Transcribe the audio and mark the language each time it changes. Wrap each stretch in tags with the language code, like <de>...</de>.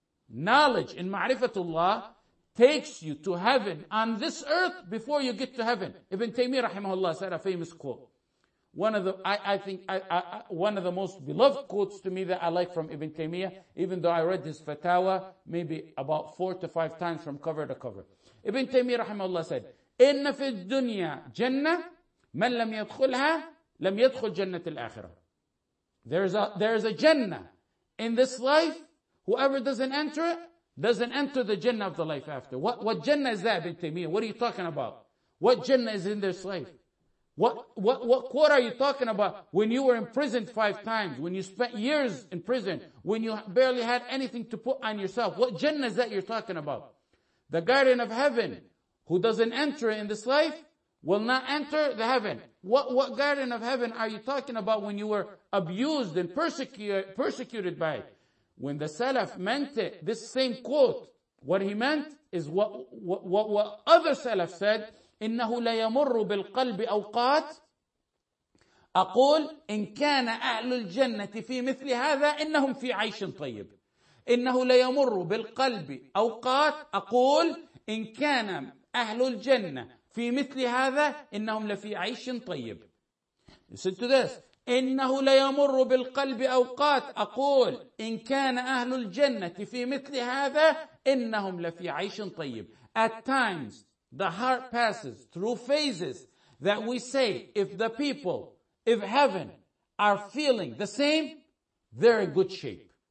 <en>Knowledge in ma'rifatullah takes you to heaven on this earth before you get to heaven. Ibn Taymiyyah rahimahullah said a famous quote. One of the most beloved quotes to me that I like from Ibn Taymiyyah, even though I read his fatawa maybe about 4 to 5 times from cover to cover. Ibn Taymiyyah rahimahullah said,</en> <ar>إِنَّ فِي الدُّنْيَا جَنَّةِ مَنْ لَمْ يَدْخُلْهَا لَمْ يَدْخُلْ جَنَّةِ الْآخِرَةِ.</ar> <en>There is a Jannah in this life. Whoever doesn't enter it, doesn't enter the Jannah of the life after. What Jannah is that, Ibn Taymiyyah? What are you talking about? What Jannah is in this life? What quote are you talking about? When you were imprisoned 5 times, when you spent years in prison, when you barely had anything to put on yourself, what Jannah is that you're talking about? The Garden of Heaven, who doesn't enter in this life, will not enter the heaven. What Garden of Heaven are you talking about when you were abused and persecuted by it? When the Salaf meant it, this same quote, what he meant is what other Salaf said,</en> <ar>إِنَّهُ لَيَمُرُّ بِالْقَلْبِ أَوْقَاتٍ أَقُولْ إِنْ كَانَ أَهْلُ الْجَنَّةِ فِي مِثْلِ هَذَا إِنَّهُمْ فِي عَيْشٍ طَيِّبٍ إِنَّهُ لَيَمُرُّ بِالْقَلْبِ أَوْقَاتٍ أَقُولْ إِنْ كَانَ أَهْلُ الْجَنَّةِ فِي مِثْلِ هَذَا إِنَّهُمْ لَفِي عَيْشٍ طَيِّبٍ</ar> <en>Listen to this.</en> <ar>إِنَّهُ لَيَمُرُّ بِالْقَلْبِ أَوْقَاتٍ أَقُولْ إِنْ كَانَ أَهْلُ الْجَنَّةِ فِي مِثْلِ هَذَا إِنَّهُمْ لَفِي عَيْشٍ طَيِّبٍ</ar> <en>At times, the heart passes through phases that we say, if the people, if heaven are feeling the same, they're in good shape.</en>